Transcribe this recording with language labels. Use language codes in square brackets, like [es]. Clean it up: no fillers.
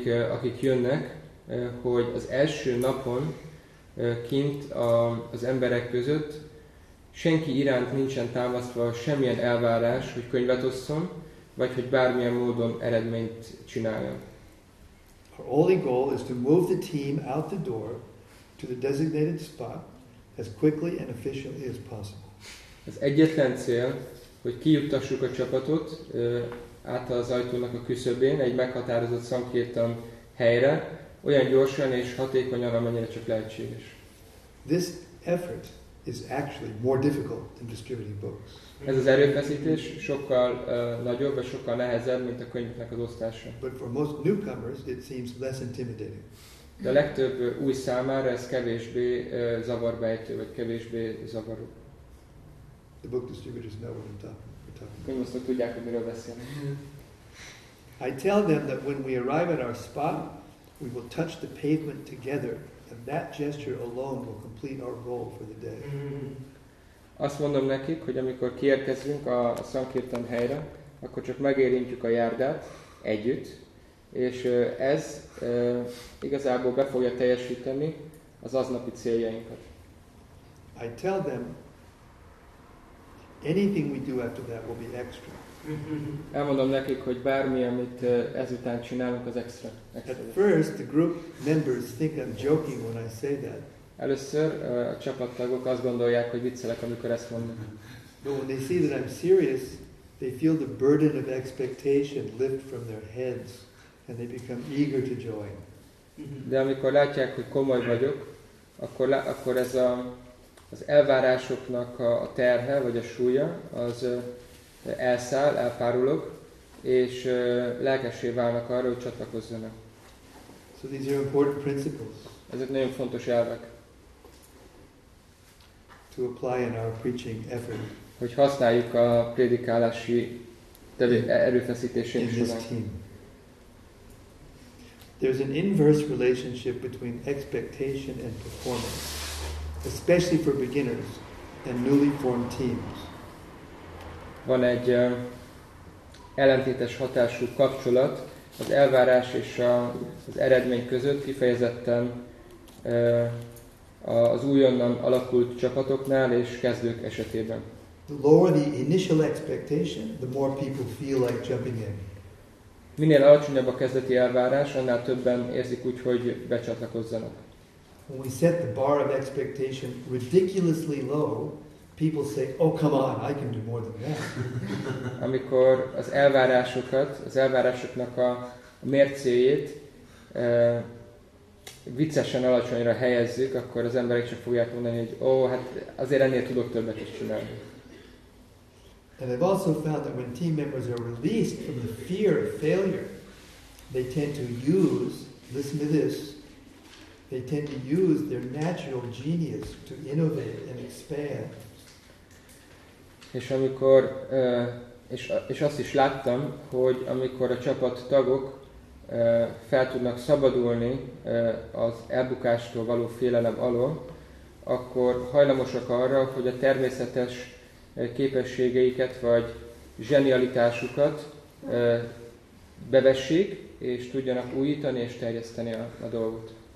[hu] akik jönnek, hogy az első napon kint az emberek között senki iránt nincsen támasztva semmilyen elvárás, hogy könyvet osszon, vagy hogy bármilyen módon eredményt csináljon. [en] Our only goal is to move the team out the door to the designated spot as quickly and efficiently as possible. [hu] Az egyetlen cél, hogy kijuttassuk a csapatot át az ajtónak a küszöbén egy meghatározott szankirtan helyre, olyan gyorsan és hatékonyan, amennyire csak lehetséges. [en] This effort is actually more difficult than distributing books. [hu] Ez az erőfeszítés sokkal nagyobb, vagy sokkal nehezebb, mint a könyveknek az osztása. [en] But for most newcomers, it seems less intimidating. [hu] De a legtöbb új számára ez kevésbé zavarbejtő, vagy kevésbé zavaró. [en] The book distributors know what I'm talking about. [hu] Könyvosztók tudják, hogy miről beszélnek. [en] I tell them that when we arrive at our spot, we will touch the pavement together, and that gesture alone will complete our goal for the day. [hu] Azt mondom nekik, hogy amikor kiérkezünk a Sankirtan helyre, akkor csak megérintjük a járdát együtt, és ez igazából be fogja teljesíteni az aznapi céljainkat. [en] I tell them, Anything we do after that will be extra. [hu] Elmondom nekik, hogy bármi, amit ezután csinálunk, az extra. [en] At first, the group members think I'm joking when I say that. [hu] Először a csapattagok azt gondolják, hogy viccelek, amikor ezt mondom. [en] But when they see that I'm serious, they feel the burden of expectation lift from their heads, and they become eager to join. [hu] De amikor látják, hogy komoly vagyok, akkor ez az elvárásoknak a terhe, vagy a súlya, az elszáll, elpárulok, és lelkessé válnak arra, hogy csatlakozzanak. [en] So these are important principles. [hu] Ezek nagyon fontos elvek. [en] To apply in our preaching effort. [hu] Hogy használjuk a prédikálási erőfeszítésünk során. [en] There's an inverse relationship between expectation and performance, especially for beginners and newly formed teams. [hu] Van egy ellentétes hatású kapcsolat az elvárás és az eredmény között, kifejezetten az újonnan alakult csapatoknál és kezdők esetében. [en] The lower the initial expectation, the more people feel like jumping in. [hu] Minél alacsonyabb a kezdeti elvárás, annál többen érzik úgy, hogy becsatlakozzanak. [en] When we set the bar of expectation ridiculously low, people say, "Oh, come on, I can do more than that." [hu] Amikor az elvárásokat, az elvárásoknak a mércéjét viccesen alacsonyra helyezzük, akkor az emberek csak fogják mondani, hogy "Oh, hát azért ennél tudok többet is csinálni." [en] And I've also found that when team members are released from the fear of failure, they tend to use, listen to this, they tend to use their natural genius to innovate and expand. [hu] És amikor és azt is láttam, hogy amikor a csapat tagok fel tudnak szabadulni az elbukástól való félelem alól, akkor hajlamosak arra, hogy a természetes képességeiket vagy zsenialitásukat bevessék, és tudjanak újítani és terjeszteni a dolgot.